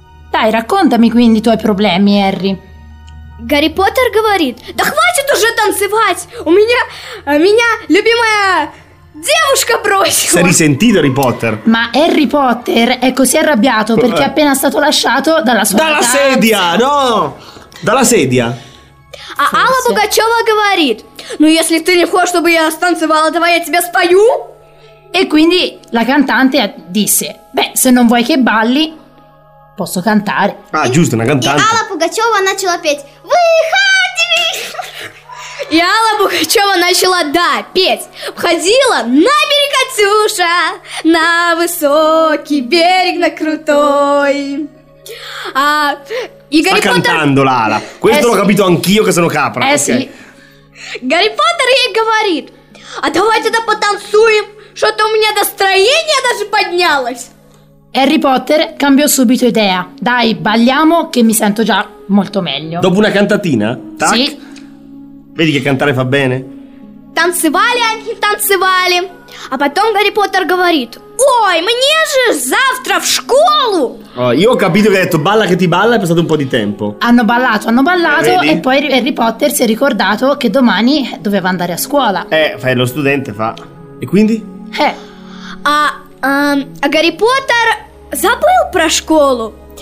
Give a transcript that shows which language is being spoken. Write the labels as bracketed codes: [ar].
[ru] Дай, раконтами, quindi, твои проблемы, Гарри. Гарри Поттер говорит, да хватит уже танцевать, у меня, любимая девушка бросила. [it] Sei risentito, Harry Potter? Ma Harry Potter è così arrabbiato perché è appena stato lasciato dalla sua Dalla danza. Sedia, no, dalla sedia. [ru] А Алла Пугачёва говорит, ну если ты не хочешь, чтобы я станцевала, давай я тебя спою. [it] E quindi la cantante disse, beh, se non vuoi che balli, posso cantare. Ah, giusto, una cantante. [ru] И Алла Пугачёва начала петь. Выходи! И Алла Пугачёва начала, да, петь. Входила на берег Катюша, на высокий берег, на крутой. А... [it] Sta Harry cantando Potter... Lala. Questo l'ho capito anch'io che sono capra. Eh sì. [ru] Гарри Поттер ей говорит, а давайте да потанцуем, что-то у меня настроение даже поднялось. [it] Harry Potter cambiò subito idea. Dai, balliamo che mi sento già molto meglio. Dopo una cantatina? Tac. Sì. Vedi che cantare fa bene? [ru] Танцевали. А потом Гарри Поттер говорит: «Ой, мне же завтра в школу!» [it] Io ho capito che ha detto balla che ti balla, è passato un po' di tempo. Hanno ballato e poi Harry Potter si è ricordato che domani doveva andare a scuola. Fai lo studente, fa. E quindi? [ru] A Гарри Поттер забыл про школу.